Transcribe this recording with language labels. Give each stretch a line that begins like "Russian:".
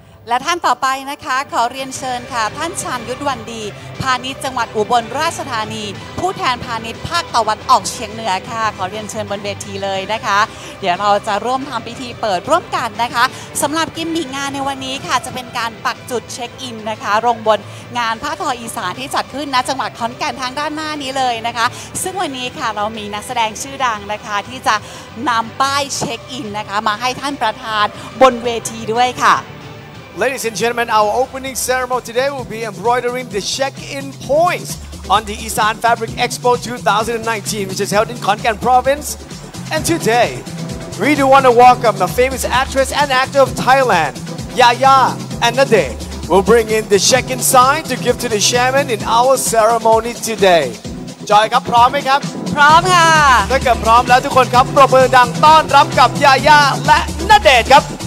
Thai: และท่านต่อไปนะคะขอเรียนเชิญค่ะท่านชาญยุทธวันดีพาณิชย์จังหวัดอุบลราชธานีผู้แทนพาณิชย์ภาคตะวันออกเฉียงเหนือค่ะขอเรียนเชิญบนเวทีเลยนะคะเดี๋ยวเราจะร่วมทำพิธีเปิดร่วมกันนะคะสำหรับกิมมิคงานในวันนี้ค่ะจะเป็นการปักจุดเช็คอินนะคะลงบนงานผ้าทออีสานที่จัดขึ้นณจังหวัดขอนแก่นทางด้านหน้านี้เลยนะคะซึ่งวันนี้ค่ะเรามีนักแสดงชื่อดังนะคะที่จะนำป้ายเช็คอินนะคะมาให้ท่านประธานบนเวทีด้วยค่ะ
English: Ladies and gentlemen, our opening ceremony today will be embroidering the check-in points on the Isan Fabric Expo 2019, which is held in Khon Kaen Province. And today, we do want to welcome the famous actress and actor of Thailand, Yaya Annade. We'll bring in the check-in sign to give to the shaman in our ceremony today.
Thai: Joy, ครับ พร้อมไหมครับ พร้อมค่ะ ถ้าเกิดพร้อมแล้วทุกคนครับ ปรบมือดังต้อนรับกับ Yaya และ Annade ครับ